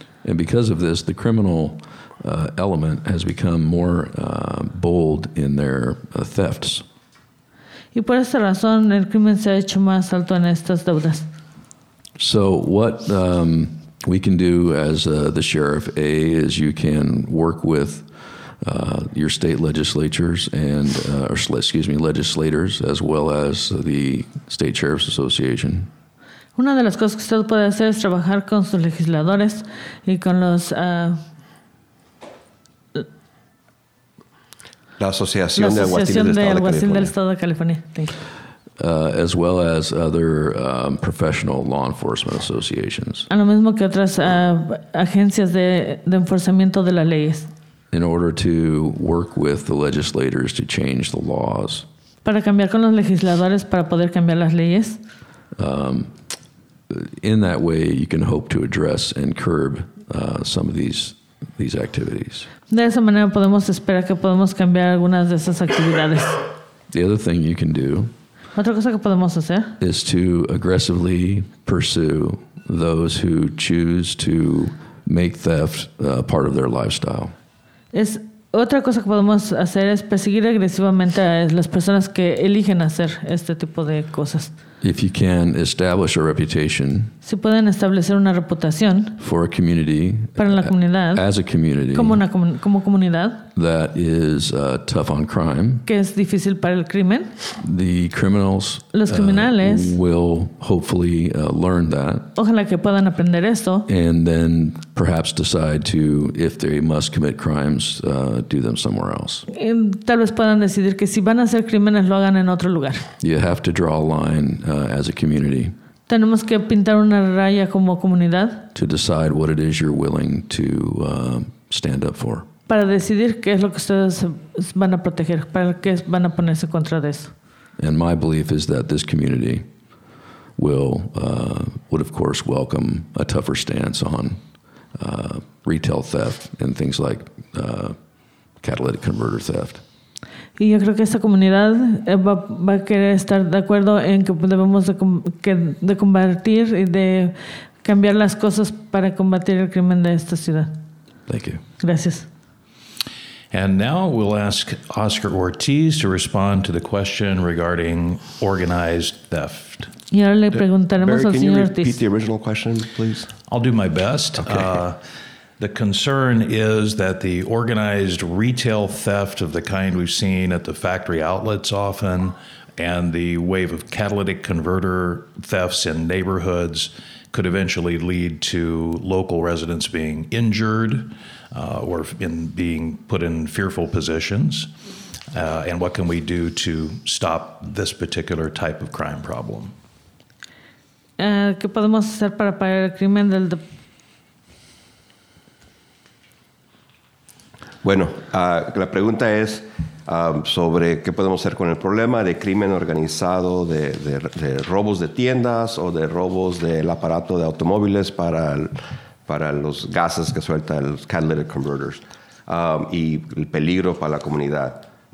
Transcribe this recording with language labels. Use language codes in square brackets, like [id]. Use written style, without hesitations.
[en] And because of this, the criminal element has become more bold in their thefts. [es] Y por esta razón, el crimen se ha hecho más alto en estas deudas. [en] So what we can do as the sheriff, A, is you can work with your state legislatures and legislators as well as the State Sheriff's Association. [es] Una de las cosas que usted puede hacer es trabajar con sus legisladores y con los la asociación de aguaciles del estado de California. [en] As well as other professional law enforcement associations. [es] A lo mismo que otras agencias de enforzamiento de las leyes. [en] In order to work with the legislators to change the laws. [es] Para cambiar con los legisladores para poder cambiar las leyes. [en] In that way, you can hope to address and curb some of these activities. [es] De esa manera podemos esperar que podemos cambiar algunas de esas actividades. [en] The other thing you can do. [es] Otra cosa que podemos hacer. [en] Is to aggressively pursue those who choose to make theft part of their lifestyle. [es] Es otra cosa que podemos hacer es perseguir agresivamente a las personas que eligen hacer este tipo de cosas. [en] If you can establish a reputation, [es] si pueden establecer una reputación [en] for a community, [es] para la comunidad, [en] as a community, [es] como comunidad, [en] that is tough on crime, [es] que es difícil para el crimen, [en] the criminals, [es] los criminales, [en] will hopefully learn that, [es] ojalá que puedan aprender esto, [en] and then perhaps decide to, if they must commit crimes, do them somewhere else. [es] Y tal vez puedan decidir que si van a hacer crímenes lo hagan en otro lugar. [en] You have to draw a line. As a community. [es] Tenemos que pintar una raya como comunidad. [en] To decide what it is you're willing to stand up for. [es] Para decidir qué es lo que ustedes van a proteger, para qué van a ponerse contra de eso. [en] And my belief is that this community will would of course welcome a tougher stance on retail theft and things like catalytic converter theft. [es] Y yo creo que esta comunidad va a querer estar de acuerdo en que debemos de combatir y de cambiar las cosas para combatir el crimen de esta ciudad. [en] Thank you. [es] Gracias. [en] And now we'll ask Oscar Ortiz to respond to the question regarding organized theft. [es] Y ahora le preguntaremos Barry, al señor [en] Ortiz. Can you repeat the original question, please? I'll do my best. Okay. The concern is that the organized retail theft of the kind we've seen at the factory outlets often and the wave of catalytic converter thefts in neighborhoods could eventually lead to local residents being injured or in being put in fearful positions. And what can we do to stop this particular type of crime problem? [es] ¿Qué podemos hacer para parar el crimen del Bueno, la pregunta es sobre qué podemos hacer con el problema de crimen organizado, de robos de tiendas o de robos del aparato de automóviles para los gases que suelta los catalytic converters y el peligro para la comunidad.